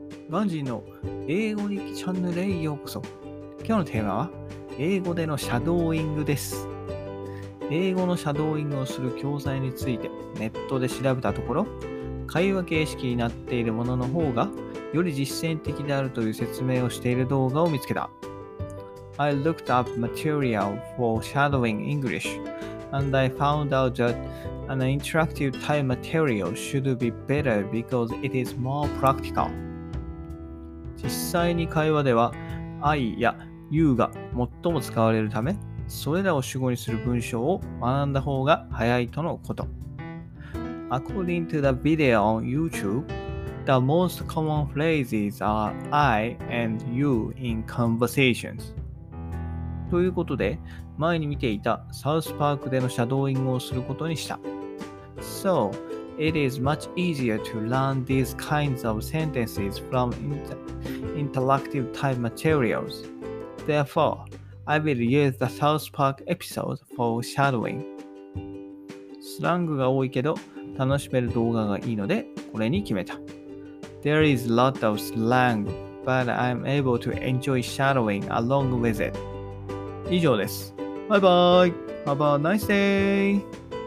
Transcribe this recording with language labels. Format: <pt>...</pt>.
<ja>ガンジーの英語日記チャンネルへようこそ。今日のテーマは英語でのシャドーイングです。英語のシャドーイングをする教材についてネットで調べたところ、会話形式になっているものの方がより実践的であるという説明をしている動画を見つけた。</ja> <en>I looked up material for shadowing English and I found out thatAn interactive type material should be better because it is more practical.</en> <ja>実際に会話では I や You が最も使われるため、それらを主語にする文章を学んだ方が早いとのこと。</ja> <en>According to the video on YouTube, the most common phrases are I and You in conversations.</en> <ja>ということで、前に見ていたサウスパークでのシャドーイングをすることにした。</ja> <en>So, it is much easier to learn these kinds of sentences from interactive type materials. Therefore, I will use the South Park episode for shadowing.</en> <ja>スラングが多いけど楽しめる動画がいいのでこれに決めた。</ja> <en>There is a lot of slang, but I'm able to enjoy shadowing along with it.</en> <ja>以上です。バイバイ。</ja> <en>Have a nice day!</en>